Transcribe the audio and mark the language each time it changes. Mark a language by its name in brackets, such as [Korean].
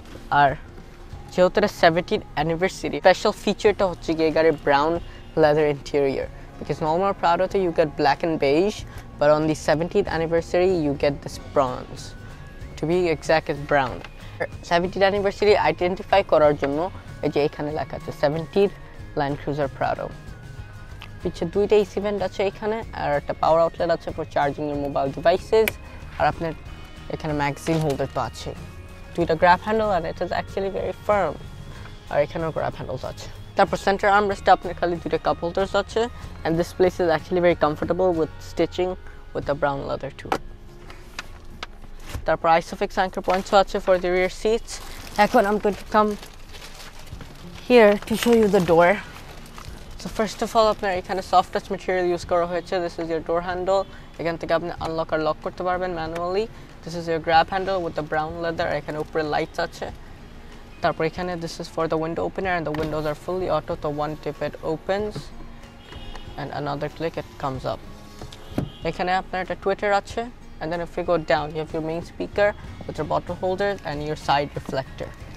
[English] Ar যেহেতু 17th anniversary special feature [Bangla] টা হচ্ছে গিয়ে গাড়ির [English] brown leather interior, because normal Prado তে you get black and beige, but on the 17th anniversary you get this bronze, to be exact it's brown. [Bangla] 17th anniversary identify করার জন্য এই যে এখানে লেখা আছে 17th Land Cruiser Prado. পিছে দুইটা AC vent আছে এখানে, আর একটা power outlet আছে [English] for charging your mobile devices. [Bangla] আর আপনার এখানে ম্যাগাজিন হোল্ডার তো আছে, দুইটা grab handle আর [English] it is actually very firm, [Bangla] আর এখানেও গ্র্যাব হ্যান্ডেলস আছে। তারপর সেন্টার আর্মরেস্টে আপনার খালি দুইটা কাপ হোল্ডার্স আছে, [English] And this place is actually very comfortable with stitching with the brown leather too. [Bangla] তারপর আইসোফিক্স অ্যাঙ্কর পয়েন্টসও আছে [English] For the rear seats. [Bangla] এখন আমি [English] Come here to show you the door. [Bangla] So first of all আপনার এখানে soft touch material use করা হয়েছে, [English] this is your door handle, [Bangla] এখান থেকে আপনি আনলক আর লক করতে পারবেন manually. [English] this is your grab handle with the brown leather, [Bangla] এখানে উপরে লাইটস আছে। তারপর এখানে [English] This is for the window opener, and the windows are fully auto, তো one tip it opens and another click it comes up. [Bangla] এখানে আপনার একটা Twitter আছে, [English] and then if you go down you have your main speaker with your bottle holder and your side reflector.